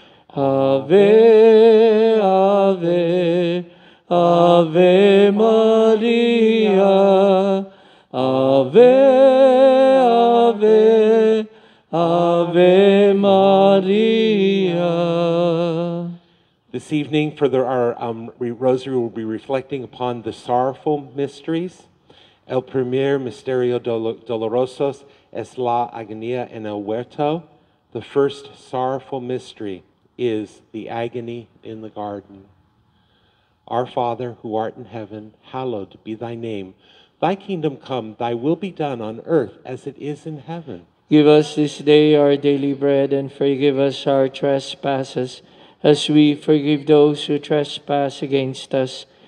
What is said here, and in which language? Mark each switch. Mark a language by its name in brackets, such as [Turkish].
[Latin] Ave, Ave, Ave Maria. Ave, Ave, Ave Maria. [English] This evening, further, our rosary will be reflecting upon the sorrowful mysteries. [Spanish] El primer misterio doloroso es la agonía en el huerto. [English] The first sorrowful mystery is the agony in the garden. Our Father, who art in heaven, hallowed be thy name. Thy kingdom come, thy will be done on earth as it is in heaven. Give us this day our daily bread, and forgive us our trespasses, as we forgive those who trespass against us.